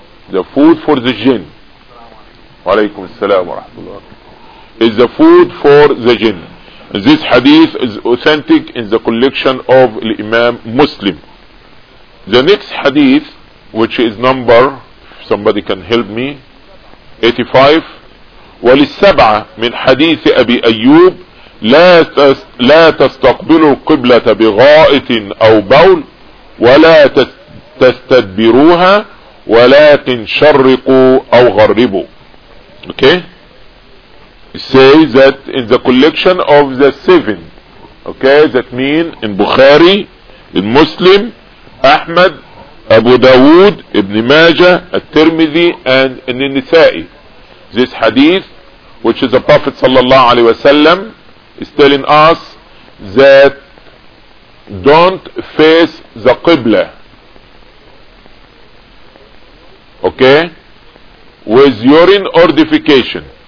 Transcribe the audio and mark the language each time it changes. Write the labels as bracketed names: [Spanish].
[English] The food for the jinn. Walaykum as-salam wa rahmatullah. Is the food for the jinn. This hadith is authentic in the collection of Imam Muslim. The next hadith, which is number, if somebody can help me, 85. [Arabic] وللسبعة من حديث أبي أيوب لا تستقبلوا قبلة بغائط أو بول ولا تستدبروها ولكن شرقوا أو غربوا. [English] Okay? Say that in the collection of the seven, okay, that mean in Bukhari, in Muslim, Ahmad, Abu Dawood, Ibn Majah, At-Tirmidhi, and in Nisa'i, this hadith, which is the Prophet sallallahu alaihi wasallam, is telling us that don't face the Qibla, okay, with urine or defecation.